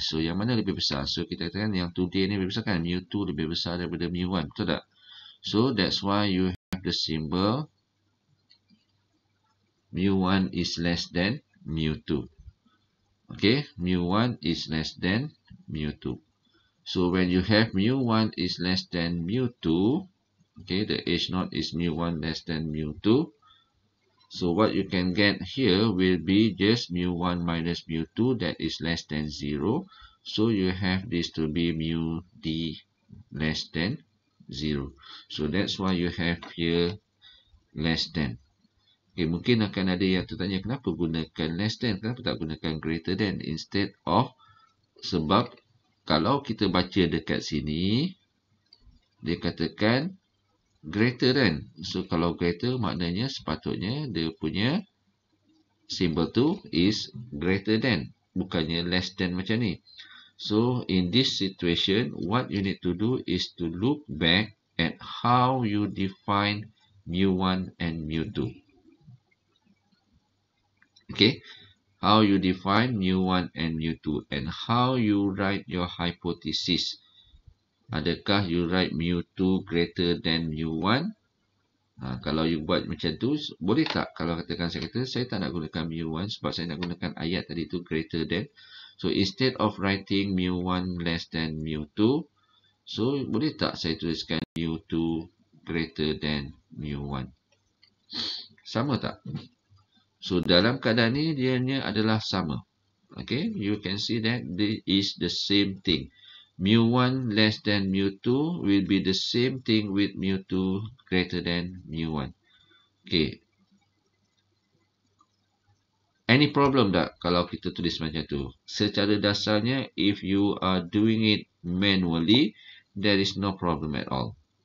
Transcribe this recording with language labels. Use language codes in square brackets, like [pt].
[ms] So, yang mana lebih besar? So, kita katakan yang today ni lebih besar kan? Mu 2 lebih besar daripada mu 1. Betul tak? [en] So, that's why you have the symbol mu 1 is less than mu 2. Okay? Mu 1 is less than mu 2. So, when you have mu 1 is less than mu 2, okay, the H naught is mu 1 less than mu 2. So, what you can get here will be just mu 1 minus mu 2, that is less than 0. So, you have this to be mu d less than 0. So, that's why you have here less than. [ms] Okay, mungkin akan ada yang tertanya, kenapa gunakan less than? Kenapa tak gunakan greater than instead of? Sebab kalau kita baca dekat sini, dia katakan greater than. So, kalau greater maknanya sepatutnya dia punya symbol tu is greater than. Bukannya less than macam ni. [en] So, in this situation, what you need to do is to look back at how you define mu 1 and mu 2. Okay? How you define mu 1 and mu 2 and how you write your hypothesis. [ms] Adakah [en] you write mu 2 greater than mu 1? [ms] Kalau you buat macam tu, boleh tak? Kalau katakan saya kata, saya tak nak gunakan mu 1 sebab saya nak gunakan ayat tadi tu greater than. [en] So, instead of writing mu 1 less than mu 2, so [ms] boleh tak saya tuliskan [en] mu 2 greater than mu 1? [ms] Sama tak? So, dalam keadaan ni, dia adalah sama. [en] Okay, you can see that this is the same thing. Mu 1 less than mu 2 will be the same thing with mu 2 greater than mu 1. Okay. Any problem [ms] tak kalau kita tulis macam tu? Secara dasarnya, [en] if you are doing it manually, there is no problem at all.